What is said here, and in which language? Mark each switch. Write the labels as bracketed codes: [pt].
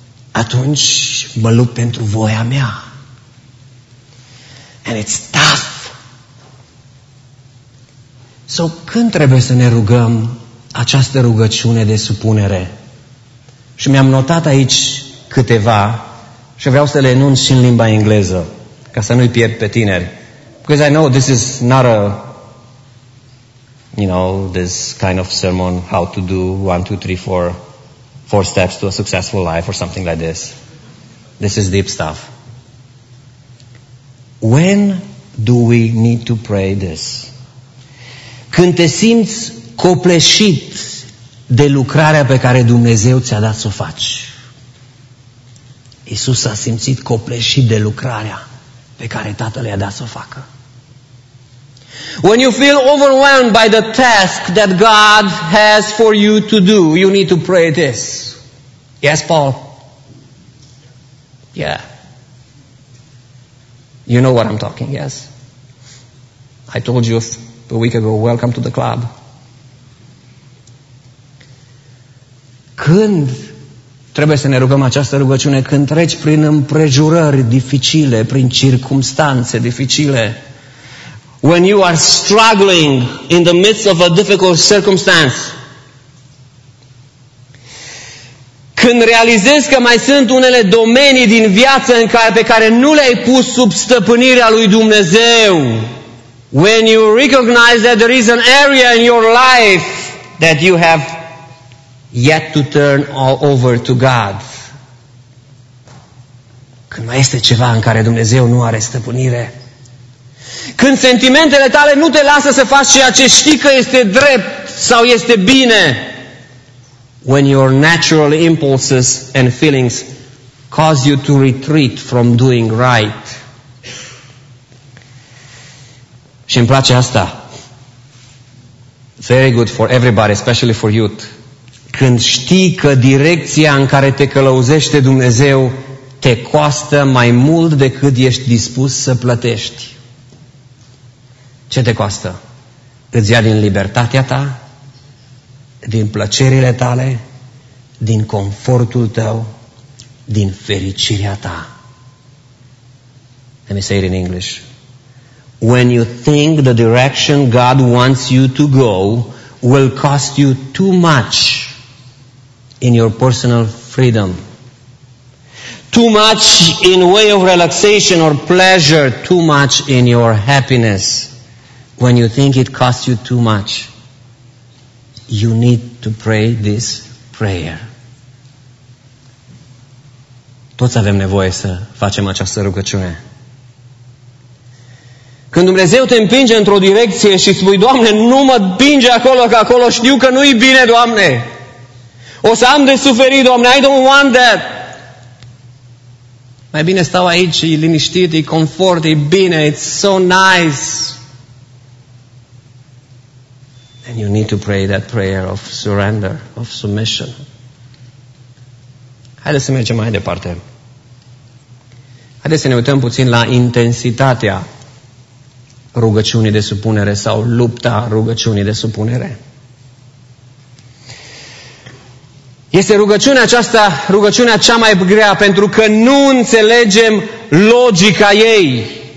[ro] Atunci mă lupt pentru voia mea. [en] And it's tough. [ro] So, când trebuie să ne rugăm această rugăciune de supunere? Și mi-am notat aici câteva și vreau să le enunț și în limba engleză, ca să nu-i pierd pe tineri. [en] Because I know this is not a, you know, this kind of sermon, how to do 1, 2, 3, 4 steps to a successful life or something like this. This is deep stuff. When do we need to pray this? [ro] Când te simți copleșit de lucrarea pe care Dumnezeu ți-a dat să o faci. Iisus s-a simțit copleșit de lucrarea pe care Tatăl i-a dat să o facă. [en] When you feel overwhelmed by the task that God has for you to do, you need to pray this. Yes, Paul? Yeah. You know what I'm talking, yes? I told you a week ago, welcome to the club. [ro] Când trebuie să ne rugăm această rugăciune? Când treci prin împrejurări dificile, prin circumstanțe dificile. [en] When you are struggling in the midst of a difficult circumstance. [ro] Când realizezi că mai sunt unele domenii din viață în care, pe care nu le-ai pus sub stăpânirea lui Dumnezeu. [en] When you recognize that there is an area in your life that you have yet to turn all over to God. [ro] Când mai este ceva în care Dumnezeu nu are stăpânire. Când sentimentele tale nu te lasă să faci ceea ce știi că este drept sau este bine. [en] When your natural impulses and feelings cause you to retreat from doing right. [ro] Și îmi place asta. [en] very good for everybody, especially for youth. [ro] Când știi că direcția în care te călăuzește Dumnezeu te costă mai mult decât ești dispus să plătești. Ce te costă? Îți ia din libertatea ta, din plăcerile tale, din confortul tău, din fericirea ta. [en] Let me say it in English. When you think the direction God wants you to go will cost you too much in your personal freedom, too much in way of relaxation or pleasure, too much in your happiness, when you think it costs you too much, you need to pray this prayer. [ro] Toți avem nevoie să facem această rugăciune. Când Dumnezeu te împinge într-o direcție și spui, Doamne, nu mă împinge acolo, că acolo știu că nu-i bine, Doamne. O să am de suferit, Doamne, [en] I don't want that. [ro] Mai bine stau aici, e liniștit, e confort, e bine, [en] it's so nice. And you need to pray that prayer of surrender, of submission. [ro] Haideți să mergem mai departe. Haideți să ne uităm puțin la intensitatea rugăciunii de supunere sau lupta rugăciunii de supunere. Este rugăciunea aceasta, rugăciunea cea mai grea, pentru că nu înțelegem logica ei.